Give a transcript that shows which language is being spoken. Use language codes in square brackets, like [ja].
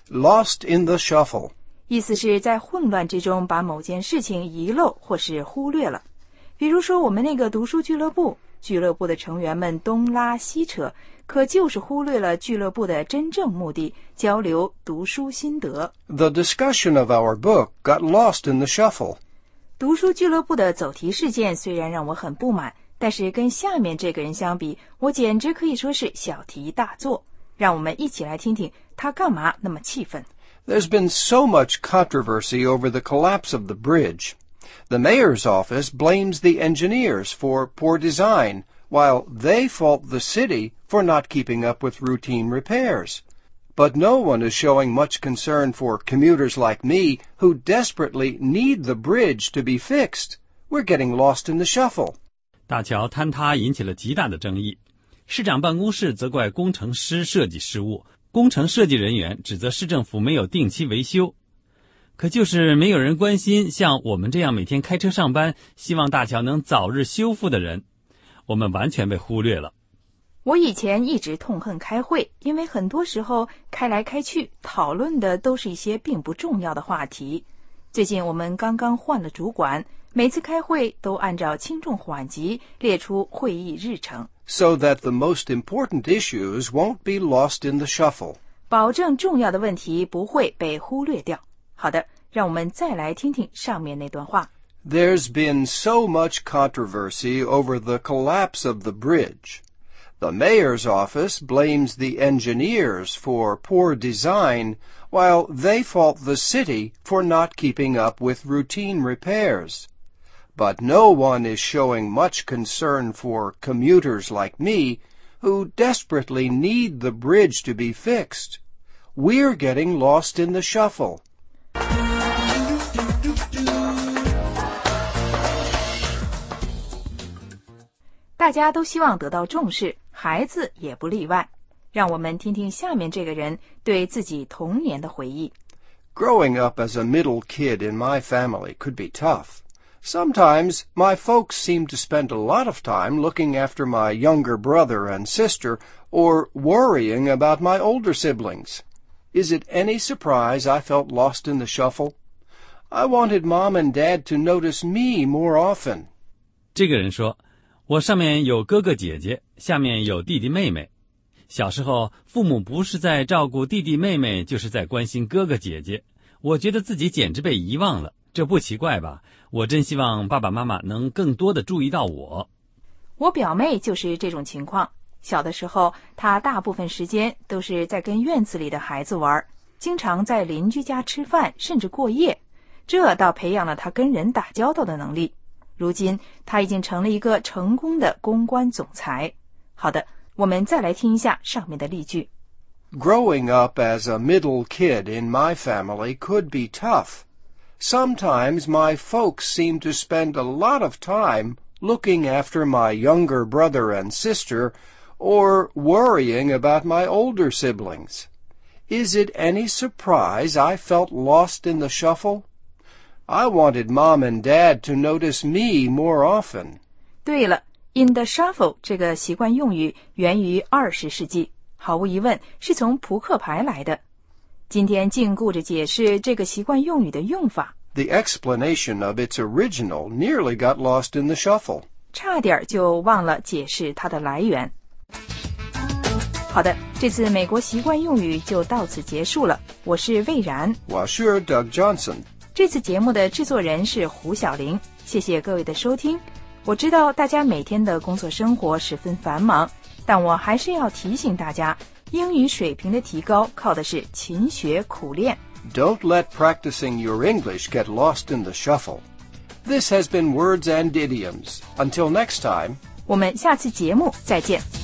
[en] Lost in the shuffle， [zh] 意思是在混乱之中把某件事情遗漏或是忽略了。比如说我们那个读书俱乐部，俱乐部的成员们东拉西扯，可就是忽略了俱乐部的真正目的，交流读书心得。 [en] The discussion of our book got lost in the shuffle。 [zh] 读书俱乐部的走题事件虽然让我很不满，但是跟下面这个人相比，我简直可以说是小题大做。让我们一起来听听他干嘛那么气愤。 [en] There's been so much controversy over the collapse of the bridge. The mayor's office blames the engineers for poor design, while they fault the city for not keeping up with routine repairs. But no one is showing much concern for commuters like me who desperately need the bridge to be fixed. We're getting lost in the shuffle. [zh] 大桥坍塌引起了极大的争议，市长办公室责怪工程师设计失误，工程设计人员指责市政府没有定期维修，可就是没有人关心像我们这样每天开车上班，希望大桥能早日修复的人，我们完全被忽略了。我以前一直痛恨开会，因为很多时候开来开去，讨论的都是一些并不重要的话题。最近我们刚刚换了主管，每次开会都按照轻重缓急列出会议日程。 [en] So that the most important issues won't be lost in the shuffle. [zh] 保证重要的问题不会被忽略掉。好的，让我们再来听听上面那段话。 [en] There's been so much controversy over the collapse of the bridge. The mayor's office blames the engineers for poor design, while they fault the city for not keeping up with routine repairs. But no one is showing much concern for commuters like me, who desperately need the bridge to be fixed. We're getting lost in the shuffle. [zh] 大家都希望得到重视，孩子也不例外。让我们听听下面这个人对自己童年的回忆。 [en] Growing up as a middle kid in my family could be tough. Sometimes my folks seemed to spend a lot of time looking after my younger brother and sister or worrying about my older siblings. Is it any surprise I felt lost in the shuffle? I wanted mom and dad to notice me more often. [zh] 这个人说我上面有哥哥姐姐，下面有弟弟妹妹。小时候，父母不是在照顾弟弟妹妹，就是在关心哥哥姐姐。我觉得自己简直被遗忘了，这不奇怪吧？我真希望爸爸妈妈能更多的注意到我。我表妹就是这种情况。小的时候，她大部分时间都是在跟院子里的孩子玩，经常在邻居家吃饭，甚至过夜。这倒培养了她跟人打交道的能力。如今他已经成了一个成功的公关总裁。好的，我们再来听一下上面的例句。 [en] Growing up as a middle kid in my family could be tough. Sometimes my folks seem to spend a lot of time looking after my younger brother and sister or worrying about my older siblings. Is it any surprise I felt lost in the shuffle? I wanted mom and dad to notice me more often. [zh] 对了 ,in the shuffle 这个习惯用语源于20世纪,毫无疑问是从扑克牌来的。今天尽顾着解释这个习惯用语的用法。 [en] The explanation of its original nearly got lost in the shuffle. [zh] 差点就忘了解释它的来源。好的,这次美国习惯用语就到此结束了。我是魏然。我是 Doug Johnson。这次节目的制作人是胡晓玲，谢谢各位的收听。我知道大家每天的工作生活十分繁忙，但我还是要提醒大家，英语水平的提高靠的是勤学苦练。 [en] Don't let practicing your English get lost in the shuffle. This has been Words and Idioms. Until next time. [zh] 我们下次节目再见。